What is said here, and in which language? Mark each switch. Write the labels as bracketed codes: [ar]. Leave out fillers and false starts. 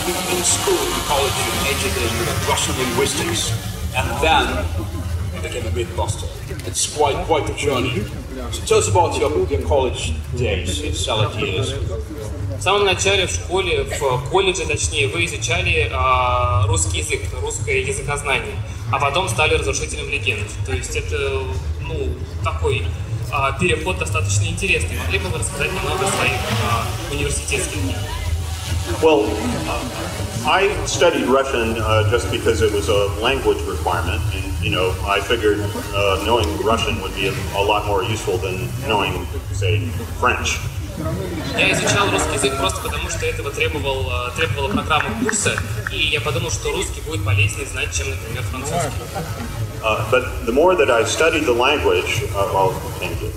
[en] In school, in college, you majored in Russian linguistics, and then became a Mythbuster. It's quite the journey. So tell us about your college days, your salad years. [ru] В самом начале в школе, в колледже, точнее, вы изучали русский язык, русское языкознание, а потом стали разрушителем легенд. То есть это, ну, такой переход достаточно интересный. Могли бы вы рассказать немного о своих университетских днях? [en] Well, I studied Russian just because it was a language requirement, and you know, I figured knowing Russian would be a lot more useful than knowing, say, French. [ru] Я изучал русский язык просто потому, что этого требовала программа курса, и я подумал, что русский будет полезнее знать, чем, например, французский. [en] But the more that I studied the language, well, thank you.